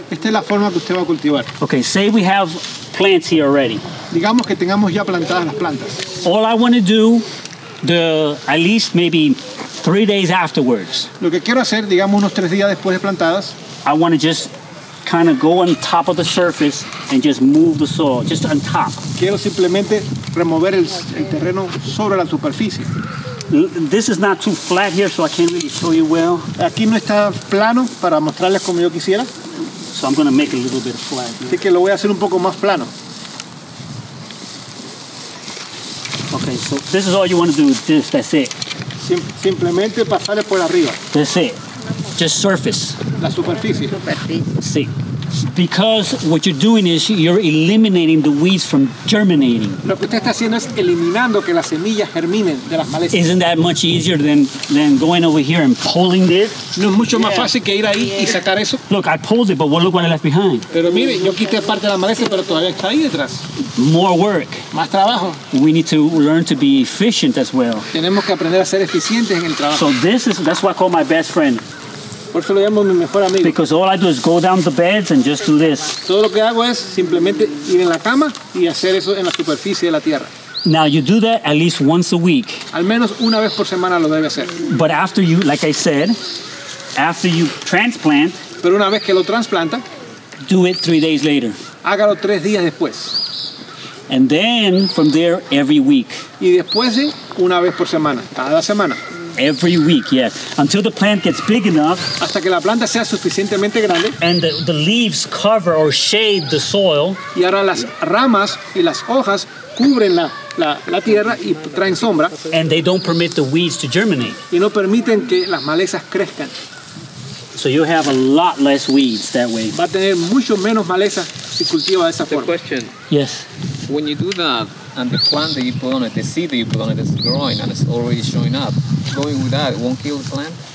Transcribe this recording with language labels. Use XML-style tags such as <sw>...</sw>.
<es>Esta es la forma que usted va a cultivar.</es> <en>Okay, say we have plants here already.</en> <es>Digamos que tengamos ya plantadas las plantas.</es> <en>All I want to do, at least maybe 3 days afterwards.</en> <es>Lo que quiero hacer, digamos unos 3 días después de plantadas.</es> <en>I want to just kind of go on top of the surface and just move the soil, just on top.</en> <es>Quiero simplemente remover el terreno sobre la superficie.</es> <en>This is not too flat here, so I can't really show you well.</en> <es>Aquí no está plano para mostrarles como yo quisiera.</es> <en>So I'm going to make it a little bit flat. Here.</en> <es>Así que lo voy a hacer un poco más plano.</es> <en>Okay, so this is all you want to do, this, that's it.</en> <es>Simplemente pasarle por arriba.</es> <en>That's it. Just surface.</en> <es>La superficie. Sí.</es> <en>Because what you're doing is you're eliminating the weeds from germinating.</en> <es>Lo que usted está haciendo es eliminando que las semillas germinen de las malezas.</es> <en>Isn't that much easier than going over here and pulling this?</en> <es>No es mucho más fácil que ir ahí y sacar eso.</es> <en>Look, I pulled it, but look what I left behind.</en> <es>Pero mire, yo quité parte de la maleza, pero todavía está ahí detrás.</es> <en>More work.</en> <es>Más trabajo.</es> <en>We need to learn to be efficient as well.</en> <es>Tenemos que aprender a ser eficientes en el trabajo.</es> <en>So that's what I call my best friend.</en> <es>Por eso lo llamo mi mejor amigo.</es> <en>Because all I do is go down the beds and just do this.</en> <es>Todo lo que hago es simplemente ir en la cama y hacer eso en la superficie de la tierra.</es> <en>Now you do that at least once a week.</en> <es>Al menos una vez por semana lo debe hacer.</es> <en>But after you, like I said, after you transplant,</en> <es>pero una vez que lo transplanta,</es> <en>do it 3 days later.</en> <es>Hágalo 3 días después.</es> <en>And then from there every week.</en> <es>Y después de una vez por semana, cada semana.</es> <en>Every week, yes. Until the plant gets big enough.</en> <es>Hasta que la planta sea suficientemente grande.</es> <en>And the leaves cover or shade the soil.</en> <es>Y ahora las ramas y las hojas cubren la tierra y traen sombra.</es> <en>And they don't permit the weeds to germinate.</en> <es>Y no permiten que las malezas crezcan.</es> <en>So you have a lot less weeds that way.</en> <es>Va a tener mucho menos maleza si cultiva de esa forma.</es> <en>The question. Yes. When you do that, and the plant that you put on it, the seed that you put on it is growing and it's already showing up. Going with that, it won't kill the plant?</en>